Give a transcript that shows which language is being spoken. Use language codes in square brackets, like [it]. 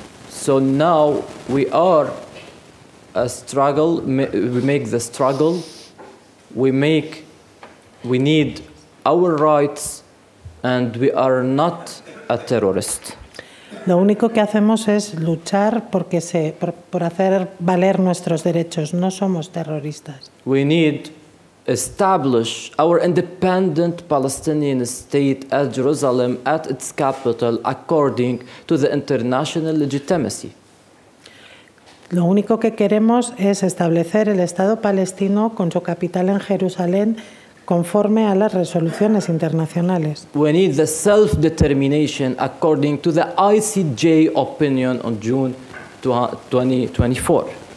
[en] So now we are a struggle, we make the struggle, we need our rights, and we are not a terrorist. [es] Lo único que hacemos es luchar por hacer valer nuestros derechos. No somos terroristas. [en] We need establish our independent Palestinian state at Jerusalem, at its capital, according to the international legitimacy. [es] Lo único que queremos es establecer el Estado palestino con su capital en Jerusalén, conforme a las resoluciones internacionales. [en] We need the self-determination according to the ICJ opinion on June 2024.